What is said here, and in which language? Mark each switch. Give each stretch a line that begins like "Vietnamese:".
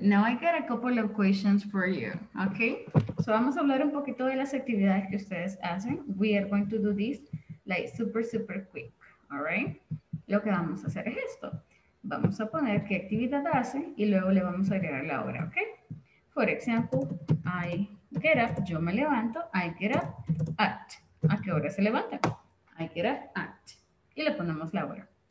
English: Now I got a couple of questions for you.
Spanish: Okay, so vamos a hablar un poquito de las actividades que ustedes hacen.
English: We are going to do this like super quick.
Spanish: All right, lo que vamos a hacer es esto. Vamos a poner qué actividad hace y luego le vamos a agregar la hora.
English: Okay, for example, I get up.
Spanish: Yo me levanto.
English: I get up at.
Spanish: ¿A qué hora se levanta? I get up at. Y le ponemos la hora.